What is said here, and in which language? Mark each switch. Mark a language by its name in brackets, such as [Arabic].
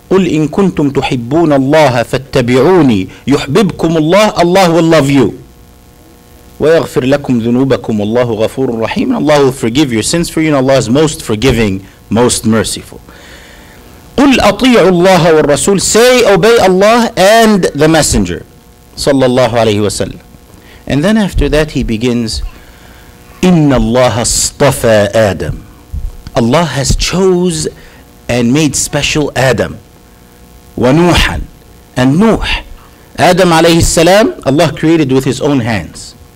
[Arabic] قُلْ إِن كُنْتُمْ تُحِبُّونَ اللَّهَ فَاتَّبِعُونِي يُحْبِبْكُمُ اللَّهُ [English] Allah will love you [Arabic] وَيَغْفِرْ لَكُمْ ذُنُوبَكُمْ وَاللَّهُ غَفُورٌ رَحِيمٌ [English] Allah will forgive your sins for you, and Allah is most forgiving, most merciful. [Arabic] قُلْ أَطِيعُوا اللَّهَ وَالرَّسُولِ [English] Say, obey Allah and the Messenger [Arabic] صلى الله عليه وسلم. [English] And then after that he begins, [Arabic] إِنَّ اللَّهَ اصْطَفَى آدَم [English] Allah has chose and made special Adam. وَنُوحًا And Nuh, Adam عليه السلام, Allah created with his own hands.